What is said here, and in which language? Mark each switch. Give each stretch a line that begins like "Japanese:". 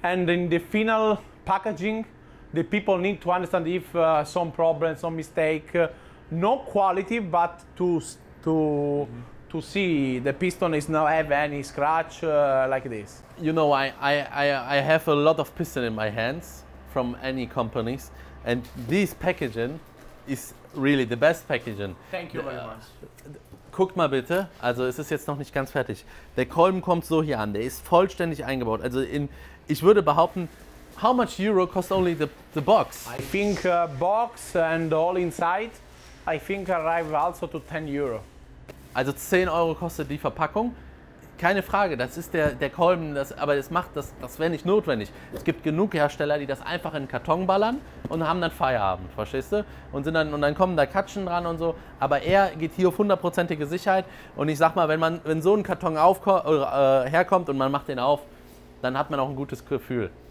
English: And in the final packaging, the people need to understand if some problem, some mistake, no quality, but to mm-hmm. to see the piston is not have any scratch like this. You know, I have a lot of piston in my hands from any companies. And this packaging is really the best packaging. Thank you very much.
German: Guckt mal bitte, also es ist jetzt noch nicht ganz fertig. Der Kolben kommt so hier an, der ist vollständig eingebaut. Also in, ich würde behaupten,
English: how much euro cost only the box? I think box and all inside, I think arrive also to 10 euro.
German: Also 10 euro kostet die Verpackung. Keine Frage, das ist der Kolben, aber das macht das wäre nicht notwendig. Es gibt genug Hersteller, die das einfach in den Karton ballern und haben dann Feierabend, verstehst du? Und dann kommen da Katschen dran und so, aber er geht hier auf hundertprozentige Sicherheit und ich sag mal, wenn so ein Karton herkommt und man macht den auf, dann hat man auch ein gutes Gefühl.